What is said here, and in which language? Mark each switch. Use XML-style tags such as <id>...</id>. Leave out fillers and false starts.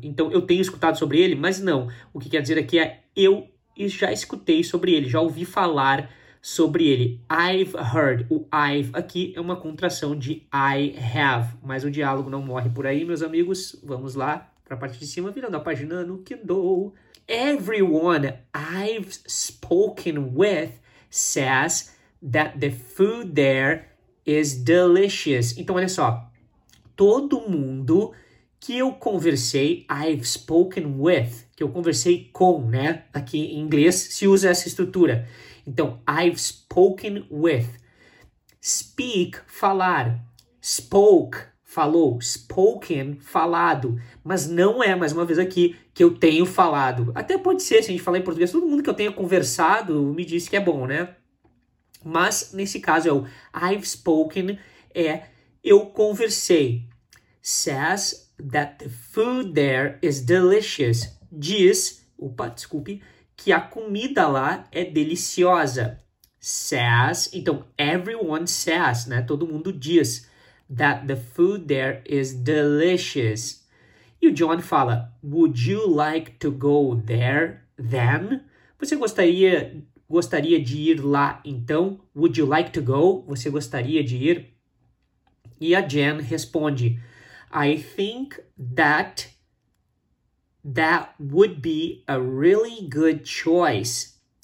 <pt>Então, eu tenho escutado sobre ele, mas não. O que quer dizer aqui é eu já escutei sobre ele, já ouvi falar sobre ele.</pt> <en>I've heard.</en> <pt>O I've aqui é uma contração de I have. Mas o diálogo não morre por aí, meus amigos. Vamos lá para a parte de cima, virando a página no Kindle.</pt> <en>Everyone I've spoken with says that the food there is delicious.</en> <pt>Então, olha só. Todo mundo que eu conversei,</pt> <en>I've spoken with,</en> <pt>que eu conversei com, né? Aqui em inglês se usa essa estrutura. Então,</pt> <en>I've spoken with.</en> <pt>Speak, falar. Spoke, falou. Spoken, falado. Mas não é, mais uma vez aqui, que eu tenho falado. Até pode ser, se a gente falar em português, todo mundo que eu tenha conversado me disse que é bom, né? Mas, nesse caso, é o</pt> <en>I've spoken,</en> <pt>é eu conversei.</pt> <en>Says that the food there is delicious.</en> <pt>Diz, opa, desculpe, que a comida lá é deliciosa.</pt> <en>Says, então, everyone says, né?</en> <pt>Todo mundo diz</pt> <en>that the food there is delicious.</en> <pt>E o John fala,</pt> <en>would you like to go there then?</en> <pt>Você gostaria de ir lá então?</pt> <en>Would you like to go?</en> <pt>Você gostaria de ir? E a Jen responde,</pt> <en>I think that would be a really good choice.</en>